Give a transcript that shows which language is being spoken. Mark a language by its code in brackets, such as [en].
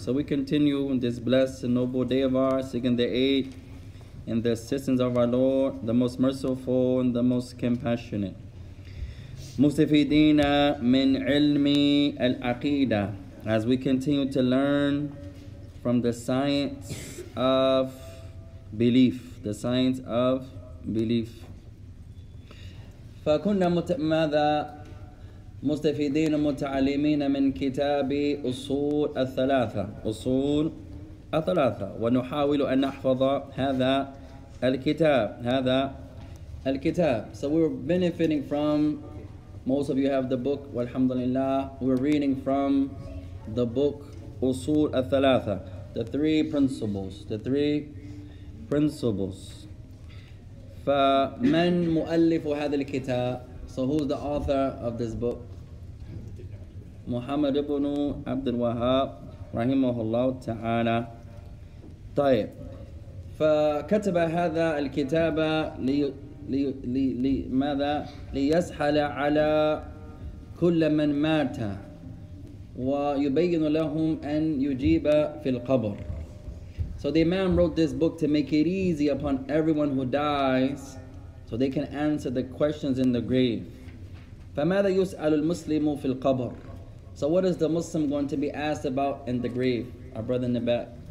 [en] So we continue in this blessed and noble day of ours, seeking the aid and the assistance of our Lord, the most merciful and the most compassionate. [ar] مستفيدين من علم العقيدة. [en] As we continue to learn from the science of belief, the science of belief. [ar] فكنا ماذا مستفيدين متعلمين من كتاب أصول الثلاثة أصول الثلاثة ونحاول أن نحفظ هذا الكتاب هذا الكتاب. [en] So we're benefiting from, most of you have the book, [ar] والحمد لله, [en] we're reading from the book [ar] أصول الثلاثة, [en] the three principles, the three principles. [ar] فمن مؤلف هذا الكتاب. [en] So who's the author of this book? [ar] محمد بن عبد الوهاب رحمه الله تعالى. طيب فكتب هذا الكتاب لماذا ليسحل على كل من مات ويبين لهم أن يجيب في القبر. [en] So the Imam wrote this book to make it easy upon everyone who dies so they can answer the questions in the grave. [ar] فَمَاذَا يُسْأَلُ الْمُسْلِمُ فِي الْقَبْرِ. [en] So what is the Muslim going to be asked about in the grave? Our brother in the back.